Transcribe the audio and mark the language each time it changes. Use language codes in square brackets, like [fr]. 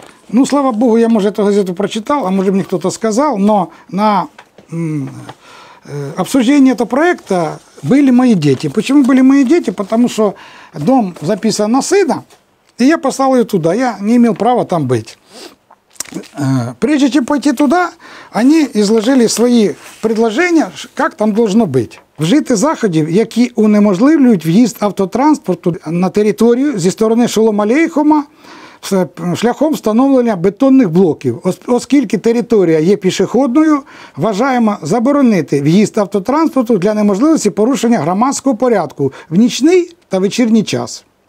[uk] Ну, слава Богу, я, може, ту газету прочитав, а може, мені хтось сказав, але на обговорення цього проєкту були мої діти. Чому були мої діти? Тому що дом записаний на сина, і я послав його туди, я не мав права там бути. [ru] Прежде чем пойти туда, они изложили свои предложения, как там должно быть. [uk] Вжити заходів, які унеможливлюють в'їзд автотранспорту на територію зі сторони Шолом-Алейхома шляхом встановлення бетонних блоків. Оскільки територія є пішохідною, вважаємо заборонити в'їзд автотранспорту для неможливості порушення громадського порядку в нічний та вечірній час.